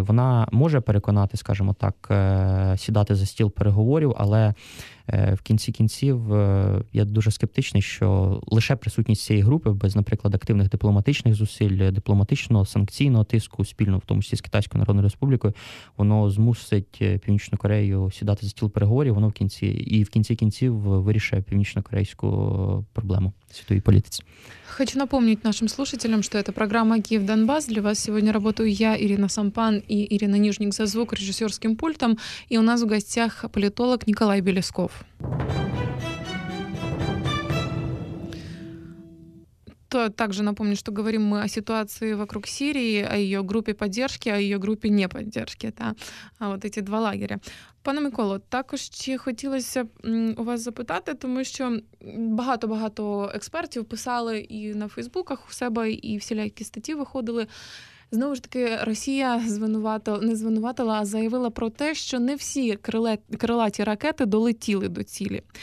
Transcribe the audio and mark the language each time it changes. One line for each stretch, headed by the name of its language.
Ukrainian: Вона може переконати, скажімо так, сідати за стіл переговорів, але в кінці кінців я дуже скептичний, що лише присутність цієї групи без, наприклад, активних дипломатичних зусиль, дипломатичного санкційного тиску спільно, в тому числі з Китайською Народною Республікою, воно змусить Північну Корею сідати за стіл переговорів, воно в кінці кінців вирішує північно-корейську проблему світовій політиці.
Russian: Хочу напомнить нашим слушателям, что это программа «Киев Донбасс». Для вас сегодня работаю я, Ирина Сампан, и Ирина Нижник за звук, режиссерским пультом. И у нас в гостях политолог Николай Белесков. Также напомню, что говорим мы о ситуации вокруг Сирии, о ее группе поддержки, о ее группе неподдержки. Да? А вот эти два лагеря.
Ukrainian: Пане Миколо, також ще хотілося у вас запитати, тому що багато-багато експертів писали і на фейсбуках у себе, і всілякі статті виходили. Знову ж таки, Росія не звинуватила, а заявила про те, що не всі крилаті ракети долетіли до цілі.